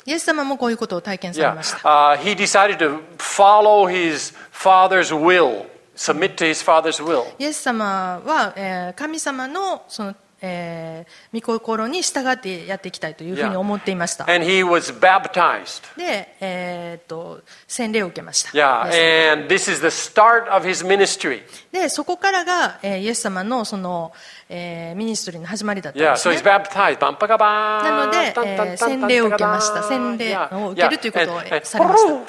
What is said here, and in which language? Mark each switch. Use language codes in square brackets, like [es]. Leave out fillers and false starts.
[ja] イエス様もこういうことを体験されました。 [en] He decided to follow his father's will, submit to his father's will. [ja] イエス様は、神様のその御心に従ってやっていきたいというふうに思っていました。 [en] And he was baptized. [ja] で、洗礼を受けました。 [en] Yeah. And this is the start of his ministry. [ja] で、そこからが、イエス様のその、ミニストリーの始まりだったんですね。 [en] Yeah. So he's baptized. [ja] バンパカバーン。なので、洗礼を受けました。洗礼を受けるということをされました。